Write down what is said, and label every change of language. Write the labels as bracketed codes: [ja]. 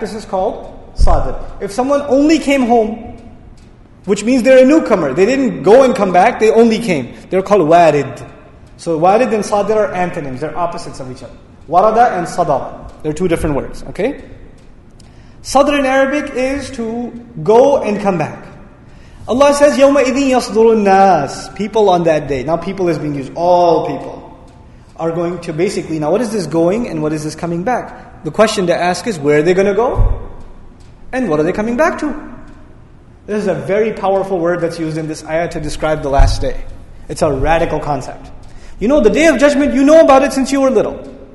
[en] This is called sadr. If someone only came home, which means they're a newcomer, they didn't go and come back, they only came. They're called warid. So warid and sadr are antonyms. They're opposites of each other. Warada and sadar. They're two different words. Okay. Sadr in Arabic is to go and come back. Allah says, [ar] يَوْمَ إِذِن يَصْدُرُ النَّاسِ. [en] People on that day. Now people is being used. All people are going to basically, now what is this going and what is this coming back? The question to ask is, where are they going to go? And what are they coming back to? This is a very powerful word that's used in this ayah to describe the last day. It's a radical concept. You know, the Day of Judgment, you know about it since you were little.